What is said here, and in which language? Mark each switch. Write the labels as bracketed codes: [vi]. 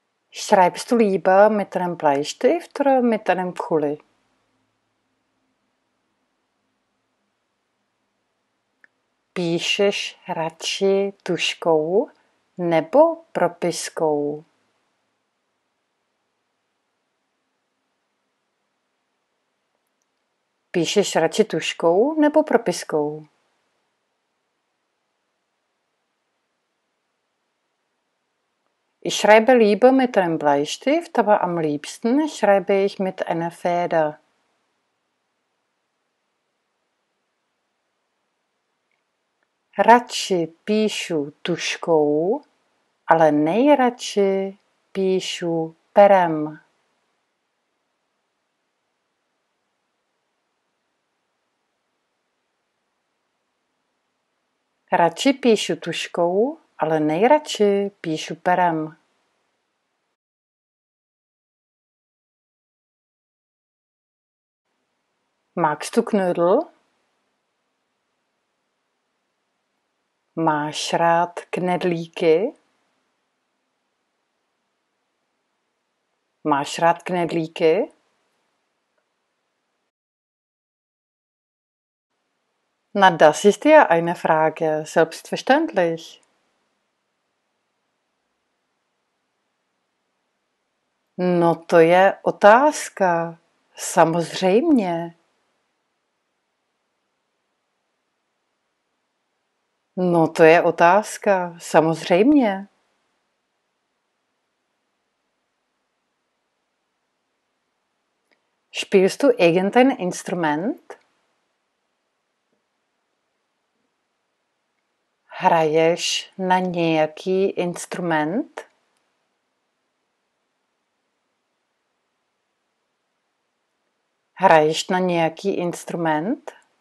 [de] Schreibst du lieber mit einem Bleistift oder mit einem Kuli? [cs] Píšeš radši tuškou nebo propiskou? Píšeš radši tuškou nebo propiskou? [de] Ich schreibe lieber mit einem Bleistift, aber am liebsten schreibe ich mit einer Feder. [cs] Radši píšu tuškou, ale nejradši píšu perem. Radši píšu tuškou, ale nejradši píšu perem. [de] Magst du Knödel? [cs] Máš rád knedlíky? Máš rád knedlíky? [de] Na, das ist ja eine Frage, selbstverständlich. [cs] No, to je otázka, samozřejmě. No, to je otázka, samozřejmě. [de] Spielst du irgendein Instrument? [cs] Hraješ na nějaký instrument? Hraješ na nějaký instrument?